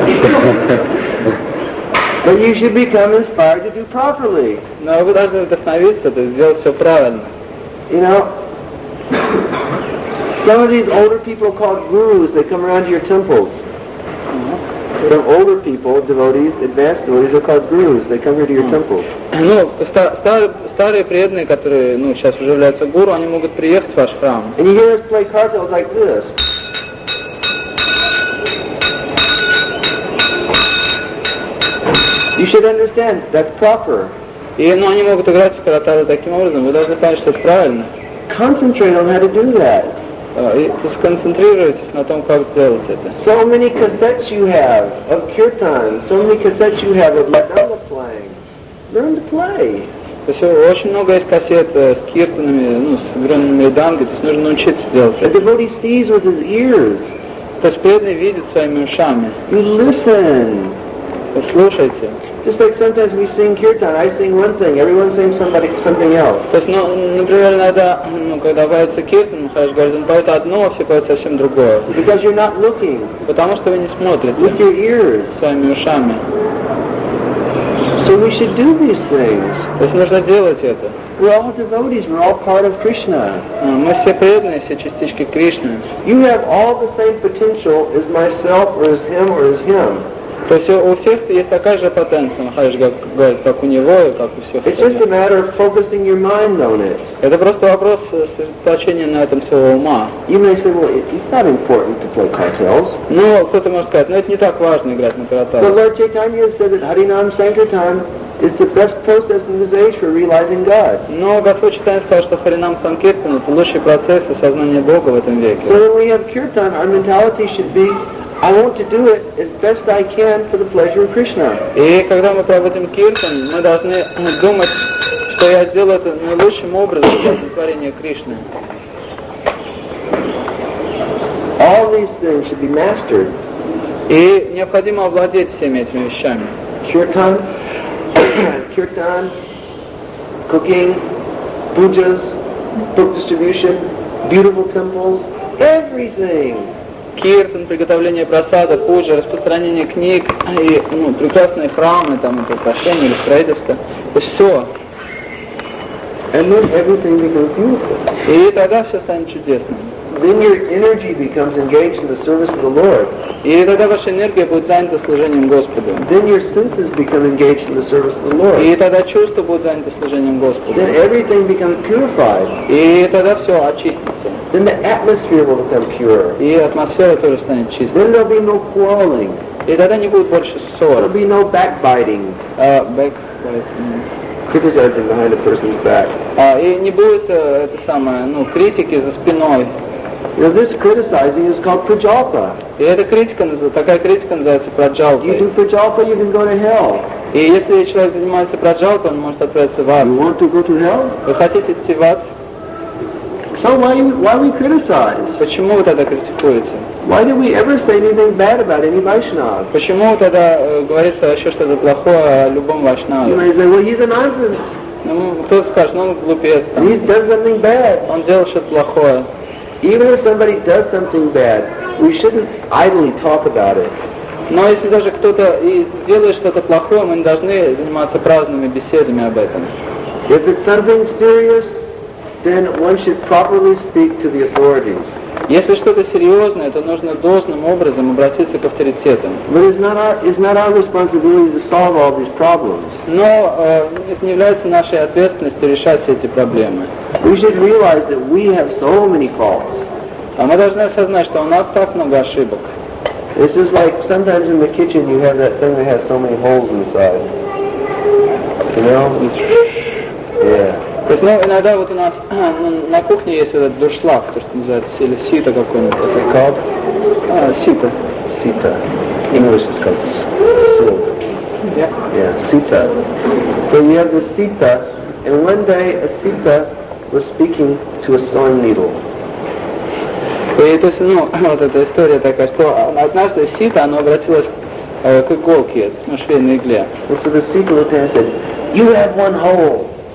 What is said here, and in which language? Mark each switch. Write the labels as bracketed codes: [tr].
[en] But you should become inspired to do properly. [ru] No, вы должны вдохновиться, то есть сделать все правильно. [en] You know, some of these older people called gurus, they come around to your temples. Some older people, devotees, advanced devotees, are called gurus. They come here to your temple. [ru] Ну, старые преданные, которые, ну, сейчас уже являются гуру, они могут приехать в ваш храм. [en] And you hear us play cartels like this. You should understand, that's proper. [ru] И, ну, они могут играть в каратары таким образом. Вы должны понять, что это правильно. [en] Concentrate on how to do that. [ru] Сконцентрируйтесь на том, как сделать это. [en] So many cassettes you have of kirtan, so many cassettes you have of madala playing. Learn to play. [ru] То есть очень много есть кассет с киртанами, ну, с игранными данги, то есть нужно научиться делать. [en] The devotee sees with his ears. [ru] То есть преданный видит своими ушами. [en] You listen. [ru] Слушайте. [en] Just like sometimes we sing kirtan, I sing one thing, everyone sings something else. [ru] То есть, ну, например, иногда, ну, когда поется киртан, Махарадж говорит, он поет одно, а все поют совсем другое. [en] Because you're not looking. [ru] Потому что вы не смотрите. [en] With your ears. [ru] Своими ушами. [en] So we should do these things. [ru] То есть нужно делать это. [en] We're all devotees, we're all part of Krishna. [ru] Мы все преданные, все частички Кришны. [en] You have all the same potential as myself, or as him, or as him. [ru] То есть у всех есть такая же потенция, Махарадж говорит, как у него и как у всех. [en] It's just a matter of focusing your mind on it. [ru] Это просто вопрос сосредоточения на этом своего ума. [en] You may say, well, it's not important to play cartels. [ru] Ну, кто-то может сказать, ну это не так важно играть на каратах. [en] But Lord Chaitanya said that Harinam Sankirtan is the best process in this age for realizing God. [ru] Но Господь Чайтанья сказал, что Харинам Санкиртан — это лучший процесс осознания Бога в этом веке. [en] So when we have kirtan, our mentality should be, I want to do it as best I can for the pleasure of Krishna. [ru] И когда мы проводим киртан, мы должны думать, что я сделаю это наилучшим образом для удовлетворения Кришны. [en] All these things should be mastered. [ru] И необходимо овладеть всеми этими вещами. [en] Kirtan, kirtan, cooking, pujas, book distribution, beautiful temples, everything. [ru] Киртан, приготовление просада, пуджа, распространение книг и, ну, прекрасные храмы, там, это прощение или строительство. Это все. [en] And then everything becomes beautiful. [ru] И тогда все станет чудесным. [en] Then your energy becomes engaged in the service of the Lord. [ru] И тогда ваша энергия будет занята служением Господу. [en] Then your senses become engaged in the service of the Lord. [ru] И тогда чувства будут заняты служением Господу. [en] Then everything becomes purified. [ru] И тогда все очистится. [en] Then the atmosphere will become pure. [ru] И атмосфера тоже станет чистой. [en] Then there'll be no quarreling. [ru] И тогда не будет больше ссор. [en] There'll be no backbiting. Criticizing behind a person's back. [ru] И не будет это самое, ну, критики за спиной. [en] Now this criticizing is called prajalpa. [ru] И эта критика, такая критика называется праджалпа. [en] You do prajalpa, you can go to hell. [ru] И если человек занимается праджалпой, он может отправиться в ад. [en] You want to go to hell? [ru] Вы хотите идти в ад? [en] So why we criticize? [ru] Почему вы тогда критикуете? [en] Why do we ever say anything bad about any Vaishnava? [ru] Почему тогда говорится вообще что-то плохое о любом Вайшнаве? [en] You may say, well, he's a nonsense. [ru] Ну, кто-то скажет, ну, он глупец. Там. [en] He does something bad. [ru] Он делает что-то плохое. [en] Even if somebody does something bad, we shouldn't idly talk about it. [ru] Но если даже кто-то и делает что-то плохое, мы не должны заниматься праздными беседами об этом. [en] If it's something serious, then one should properly speak to the authorities. [ru] Если что-то серьезное, то нужно должным образом обратиться к авторитетам. [en] But it's not our responsibility to solve all these problems. [ru] Но это не является нашей ответственностью решать все эти проблемы. [en] We should realize that we have so many faults. [ru] А мы должны осознать, что у нас так много ошибок. [en] This is like sometimes in the kitchen you have that thing that has so many holes inside. You know? Yeah. [ru] То есть, ну, иногда вот у нас на кухне есть этот дуршлаг, то, что называется, или сито какое-нибудь. Это как? А, сито. Сито. [en] English is called soup. Yeah. Yeah, sita. So we have the sita, and one day a sita was speaking to a sewing needle. [ru] И то есть, ну, вот эта история такая, что однажды сита, оно обратилось к иголке, ну, швейной игле. [en] And so the sita looked at him and said, "You have one hole.